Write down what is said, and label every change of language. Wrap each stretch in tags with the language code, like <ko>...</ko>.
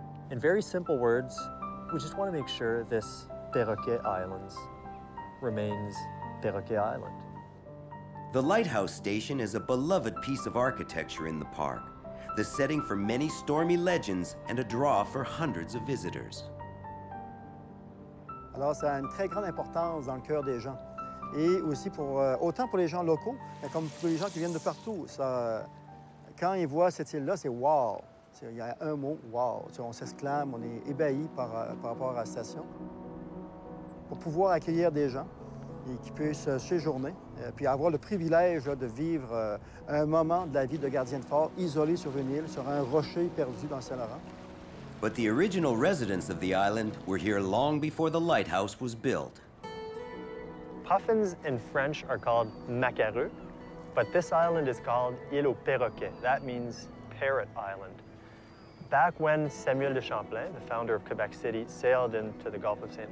<en>In very simple words, we just want to make sure this Perroquet Islands remains Perroquet Island. The lighthouse station is a beloved piece of architecture in the park, the setting for many stormy legends and a draw for hundreds of visitors.</en> <fr>Alors, ça a une très grande importance dans le cœur des gens, et aussi pour autant pour les gens locaux, mais comme pour les gens qui viennent de partout. Ça, quand ils voient cette île-là, c'est wow. Il y a un mot, wow. On s'exclame, on est ébahi par rapport à la station. Pour pouvoir accueillir des gens et qui puissent séjourner, puis avoir le privilège de vivre un moment de la vie de gardien de fort isolé sur une île, sur un rocher perdu dans Saint-Laurent.</fr> <en>But the original residents of the island were here long before the lighthouse was built. Puffins in French are called macareux, but this island is called Île aux Perroquets. That means parrot island. Back when Samuel de Champlain, the founder of Quebec City, sailed into the Gulf of St.</en>